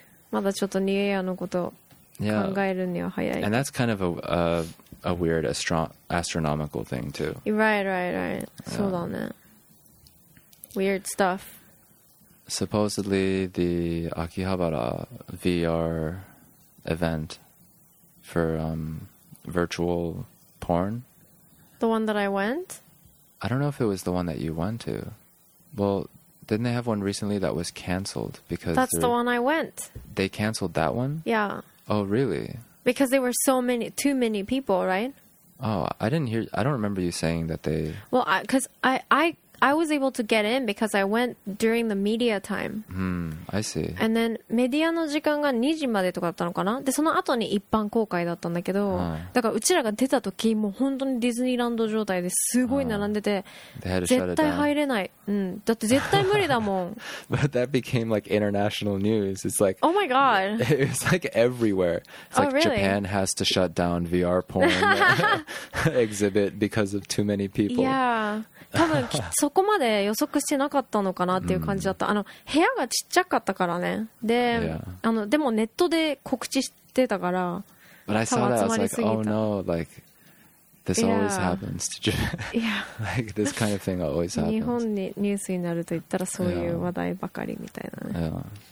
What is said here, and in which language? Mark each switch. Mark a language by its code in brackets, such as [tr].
[ja] まだちょっとニューエアのこと考えるには早い。 [en] Yeah. And that's kind of a weird astronomical thing too. Right, right, right. Yeah. [ja] そうだね。 [en] Weird stuff. Supposedly the Akihabara VR event for virtual porn. The one that I went? I don't know if it was the one that you went to. Well, didn't they have one recently that was cancelled? Because that's the one I went. They cancelled that one? Yeah. Oh, really? Because there were so many, too many people, right? Oh, I didn't hear, I don't remember you saying that they... Well, because I was able to get in because I went during the media time. I see. [ja] And then, メディアの時間が2時までとかだったのかな? で、その後に一般公開だったんだけど、だからうちらが出た時、もう本当にディズニーランド状態ですごい並んでて、絶対入れない。うん。だって絶対無理だもん。 [en] But that became like international news. It's like, oh my god. It was like everywhere. It's like, oh, really? Japan has to shut down VR porn exhibit because of too many people. Yeah. [ja] 多分そこまで予測してなかったのかなっていう感じだった、うん、あの部屋がちっちゃかったからねで、 [en] yeah. [ja] あのでもネットで告知してたから [en] But I saw that I was like oh no like this always happens to Japan yeah. like this kind of thing always happens [ja] 日本にニュースになると言ったらそういう話題ばかりみたいなね